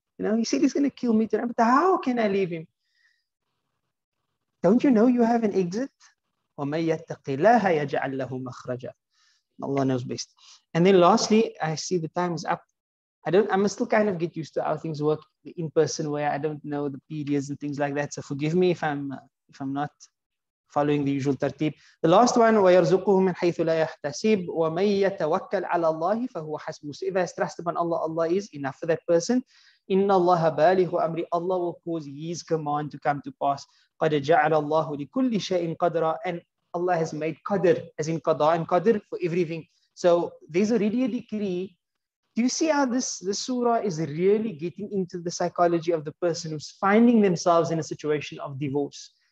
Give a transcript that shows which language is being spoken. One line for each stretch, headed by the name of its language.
English: You know, he said he's going to kill me tonight, but how can I leave him? Don't you know you have an exit?
Arabic: وَمَنْ يَتَّقِ اللَّهَ يَجْعَلْ لَهُ مَخْرَجًا.
English: Allah knows best. And then lastly, I see the time is up. I'm still kind of get used to how things work the in-person way. I don't know the periods and things like that. So forgive me if I'm not following the usual tartib.
Arabic: The last one, وَيَرْزُقُهُ مِنْ حَيْثُ لَا يَحْتَسِبْ وَمَنْ يَتَوَكَّلْ عَلَى اللَّهِ فَهُوَ حَسْبُهُ.
English: If I trust upon Allah, Allah is enough for that person.
Arabic: إِنَّ اللَّهَ بَالِهُ أَمْرِ.
English: Allah will cause His command to come to pass.
Arabic: قَدْ جَعَلَ اللَّهُ لِكُلِّ شَيْءٍ قَدْرًا.
English: And Allah has made qadr, as in qada and qadr, for everything. So there's already a decree. Do you see how this surah is really getting into the psychology of the person who's finding themselves in a situation of divorce?